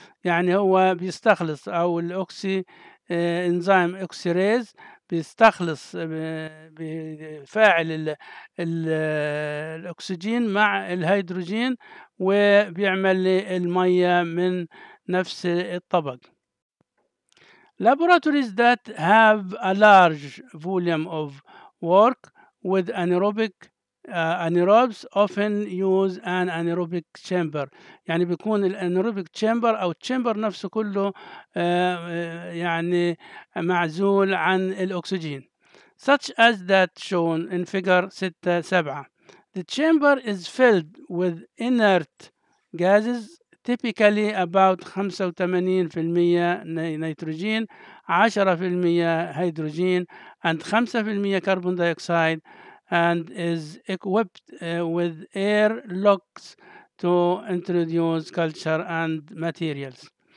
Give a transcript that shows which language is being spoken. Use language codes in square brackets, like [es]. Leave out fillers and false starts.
[ar] يعني هو بيستخلص او الاكسي انزيم اوكسيريز بيستخلص بفاعل الاكسجين مع الهيدروجين وبيعمل لي الميه من نفس الطبق. [en] Laboratories that have a large volume of work with anaerobic anaerobes often use an anaerobic chamber. [ar] يعني بيكون الانيروبيك chamber أو chamber نفسه كله يعني معزول عن الأكسجين. [en] Such as that shown in figure 6-7. The chamber is filled with inert gases, typically about 85% nitrogen, 10% hydrogen, and 5% carbon dioxide, and is equipped with air locks to introduce culture and materials.